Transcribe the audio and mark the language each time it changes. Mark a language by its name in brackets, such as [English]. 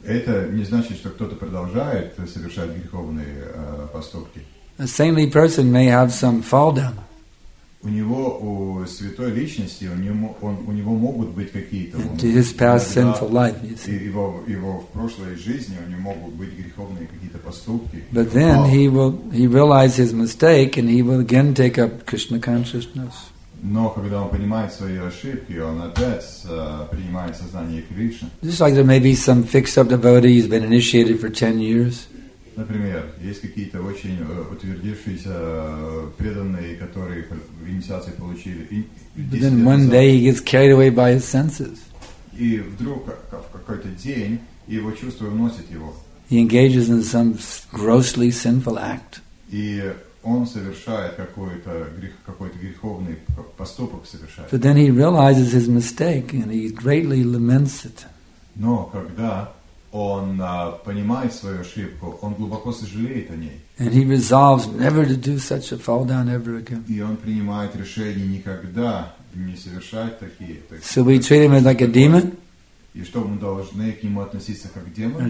[Russian] Это не значит, что кто-то продолжает совершать греховные поступки. [English] A saintly person may have some fall down. [Russian] У него, у святой личности, у него могут быть какие-то. [English] To his past sinful life, you see. [Russian] Его в прошлой жизни у него могут быть греховные какие-то поступки. [English] But then he realizes his mistake and he will again take up Krishna consciousness. [Russian] Но когда он понимает свои ошибки, он опять принимает сознание Кришны. [English] Just like there may be some fixed up devotee who's been initiated for 10 years. [Russian] Например, есть какие-то очень утвердившиеся преданные, которые инициации получили. [English] But then one day he gets carried away by his senses. [Russian] И вдруг в какой-то день его чувства уносят его. [English] He engages in some grossly sinful act. [Russian] И он совершает какой-то греховный поступок совершает. [English] But then he realizes his mistake and he greatly laments it. [Russian] Но когда он понимает свою ошибку, он глубоко сожалеет о ней. [English] And he resolves never to do such a fall down ever again. [Russian] И он принимает решение никогда не совершать такие. [English] So we treat him as like a demon? [Russian] И что, мы должны к нему относиться как к демону?